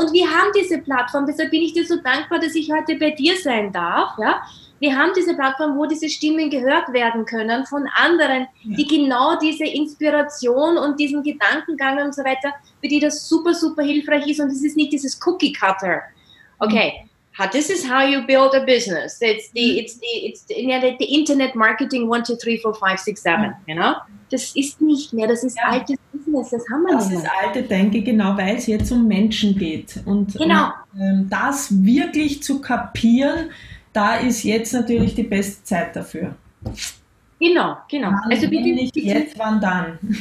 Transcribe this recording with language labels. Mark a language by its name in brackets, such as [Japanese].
[German] Und wir haben diese Plattform, deshalb bin ich dir so dankbar, dass ich heute bei dir sein darf, ja. Wir haben diese Plattform, wo diese Stimmen gehört werden können von anderen, die genau diese Inspiration und diesen Gedankengang und so weiter, für die das super, super hilfreich ist. Und es ist nicht dieses Cookie Cutter. [English] Okay, this is how you build a business. It's the Internet Marketing 1, 2, 3, 4, 5, 6, 7, you know? [German] Das ist nicht mehr, das ist altes Business, das haben wir das nicht mehr. Das ist alte Denke, genau, weil es jetzt um Menschen geht. Und genau. Das wirklich zu kapieren, da ist jetzt natürlich die beste Zeit dafür. Genau, genau. Also bitte nicht jetzt, wann dann?